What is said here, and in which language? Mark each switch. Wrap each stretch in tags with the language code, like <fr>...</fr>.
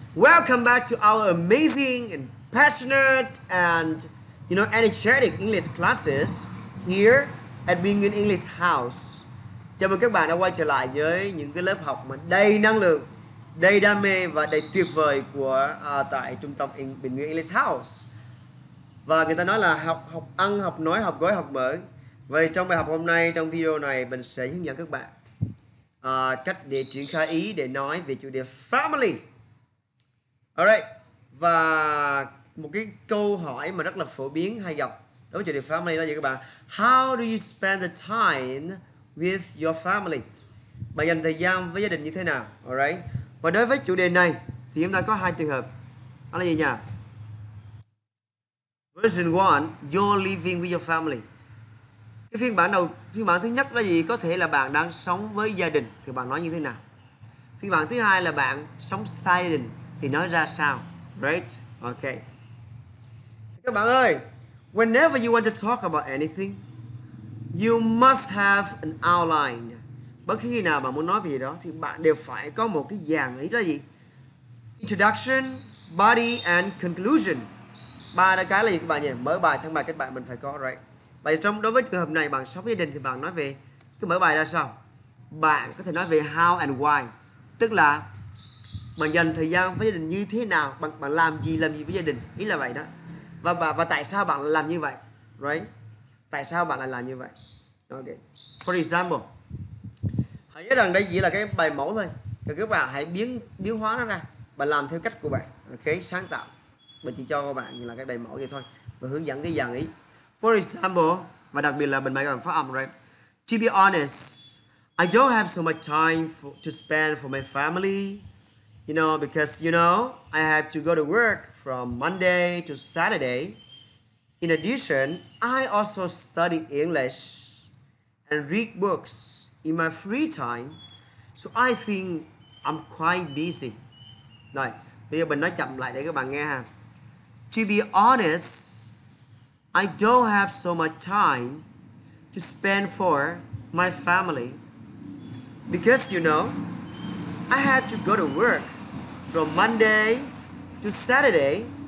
<en>Welcome back to our amazing and passionate and, you know, energetic English classes here at Being in English House.</en> <vi>Chào mừng các bạn đã quay trở lại với những cái lớp học mà đầy năng lượng, đầy đam mê và đầy tuyệt vời của tại trung tâm Being in English House. Và người ta nói là học ăn, học nói, học gói, học mở. Vậy trong bài học hôm nay, trong video này, mình sẽ hướng dẫn các bạn cách để triển khai ý để nói về chủ đề family. Alright. Và một cái câu hỏi mà rất là phổ biến hay gặp đối với chủ đề family là gì các bạn?</vi> <en>How do you spend the time with your family?</en> <vi>Bạn dành thời gian với gia đình như thế nào? Alright. Và đối với chủ đề này thì chúng ta có hai trường hợp. Đó là gì nhỉ?</vi> <en>Version 1, you're living with your family.</en> <vi>Cái phiên bản thứ nhất là gì? Có thể là bạn đang sống với gia đình thì bạn nói như thế nào? Phiên bản thứ hai là bạn sống xa gia đình thì nói ra sao?</vi> <en>Right? Okay.</en> <vi>Các bạn ơi,</vi> <en>whenever you want to talk about anything, you must have an outline.</en> <vi>Bất cứ khi nào bạn muốn nói về gì đó thì bạn đều phải có một cái dàn ý, là gì?</vi> <en>Introduction, body and conclusion.</en> <vi>Ba cái là gì các bạn nhỉ? Mở bài, thân bài, kết bài mình phải có, right? Và trong đối với trường hợp này, bạn sống gia đình thì bạn nói về cái mở bài ra sao? Bạn có thể nói về</vi> <en>how and why,</en> <vi>tức là bạn dành thời gian với gia đình như thế nào, bạn làm gì với gia đình, ý là vậy đó. Và tại sao bạn làm như vậy, right? Tại sao bạn lại làm như vậy? Ok.</vi> <en>For example,</en> <vi>hãy nhớ rằng đây chỉ là cái bài mẫu thôi, thì các bạn hãy biến hóa nó ra, bạn làm theo cách của bạn, ok, sáng tạo. Mình chỉ cho các bạn là cái bài mẫu vậy thôi và hướng dẫn cái dàn ý.</vi> <en>For example,</en> <vi>và đặc biệt là bên bài các bạn phát âm, right?</vi> <en>To be honest, I don't have so much time to spend for my family, you know, because, you know, I have to go to work from Monday to Saturday. In addition, I also study English and read books in my free time, so I think I'm quite busy.</en> <vi>Rồi, bây giờ mình nói chậm lại để các bạn nghe ha.</vi> <en>To be honest, I don't have so much time to spend for my family because, you know, I have to go to work from Monday to Saturday.</en>